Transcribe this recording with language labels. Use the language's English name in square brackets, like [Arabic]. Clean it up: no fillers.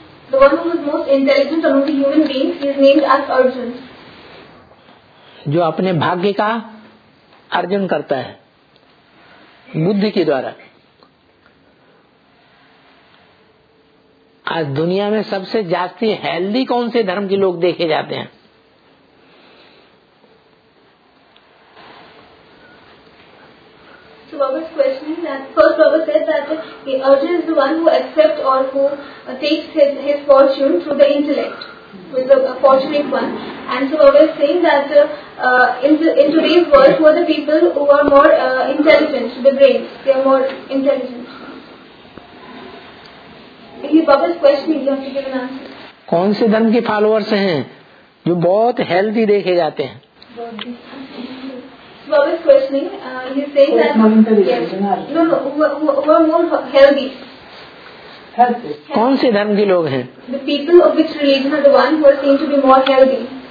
[English] The one who is most intelligent among the human beings, he is named as Arjun. [Hindi] जो अपने भाग्य का अर्जुन करता है बुद्धि के द्वारा. आज दुनिया में सबसे जास्ती हेल्दी कौन से धर्म के लोग देखे जाते हैं? [English] First, Baba said that Arjun is the one who accepts or who takes his fortune through the intellect, who is a fortunate one. And so Baba is saying that in today's world, who are the people who are more intelligent, the brains, they are more intelligent. Baba's question is, you have to give an answer. [Hindi] कौन से धर्म के followers हैं जो बहुत healthy देखे जाते हैं? [English] Baba is questioning, he is saying that yes, who are more healthy. [Hindi] कौन से धर्म के लोग हैं? [English] The people of which religion are the ones who are seen to be more healthy.